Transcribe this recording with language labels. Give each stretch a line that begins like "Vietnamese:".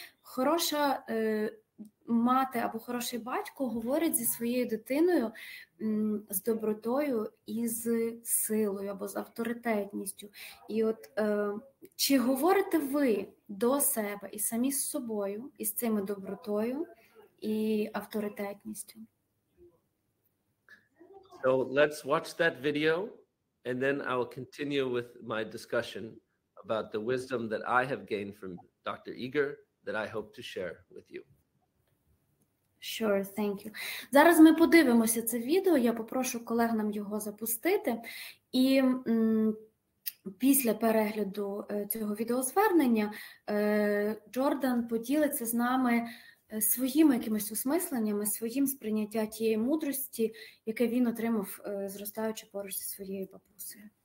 Ukrainian: Хороша мати або хороший батько говорить зі своєю дитиною з добротою і з силою або з авторитетністю. І от чи говорите ви до себе і самі з собою, із цими добротою і авторитетністю?
English: So let's watch that video and then I will continue with my discussion about the wisdom that I have gained from Dr. Eger that I hope to share with you. Sure, thank you.
Ukrainian: Зараз ми подивимося це відео, я попрошу колег нам його запустити. І після перегляду цього відеозвернення Джордан поділиться з нами своїми якимись осмисленнями, своїм сприйняттям тієї мудрості, яке він отримав, зростаючи поруч зі своєю бабусею.